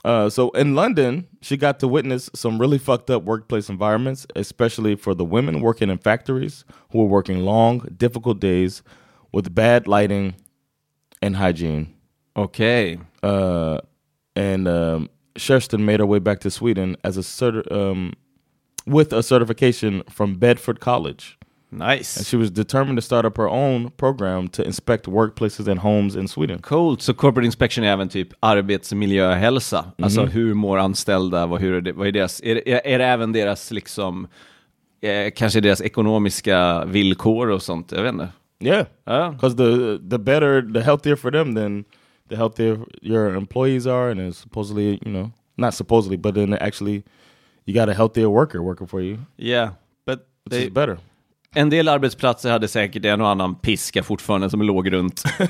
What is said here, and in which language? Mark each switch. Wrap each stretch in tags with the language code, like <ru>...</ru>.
<en>So in London, she got to witness some really fucked up workplace environments, especially for the women working in factories who were working long, difficult days with bad lighting and hygiene. Okay. Kerstin made her way back to Sweden as a with a certification from Bedford College. Nice. And she was determined to start up her own program to inspect workplaces and homes in Sweden. Cool. So corporate inspection</en> <sv>är även typ arbetsmiljö och hälsa. Mm-hmm. Alltså hur mår anställda, hur är det, vad är deras, är det även deras liksom, kanske deras ekonomiska villkor och sånt, jag vet inte.</sv> <en>Yeah. Because the better, the healthier for them, then the healthier your employees are, and it's supposedly, you know, not supposedly, but then actually you got a healthier worker working for you. Yeah. But which is better.</en> <sv>En del arbetsplatser hade säkert en och annan piska fortfarande som låg runt.</sv>